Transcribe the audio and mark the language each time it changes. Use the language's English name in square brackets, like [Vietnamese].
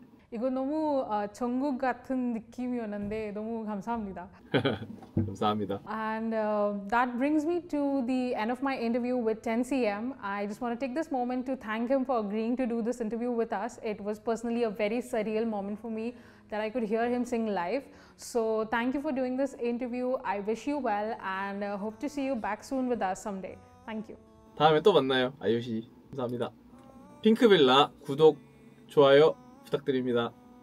[Korean] 이거 너무 전국 같은 느낌이었는데 너무 감사합니다. 감사합니다. [English] And that brings me to the end of my interview with 10CM. I just want to take this moment to thank him for agreeing to do this interview with us. It was personally a very surreal moment for me that I could hear him sing live. So thank you for doing this interview. I wish you well and hope to see you back soon with us someday. Thank you. [Korean] 다음에 또 만나요. 아이유 씨. 감사합니다. 핑크빌라 구독, 좋아요 부탁드립니다.